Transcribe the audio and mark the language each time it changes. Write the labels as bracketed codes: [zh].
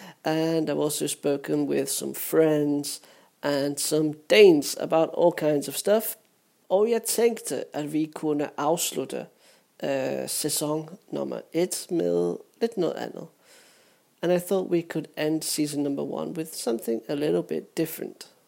[en] And I've also spoken with some friends and some Danes about all kinds of stuff. [da] Og jeg tænkte, at vi kunne afslutte sæson nummer 1 med lidt noget andet. [en] And I thought we could end season number 1 with something a little bit different.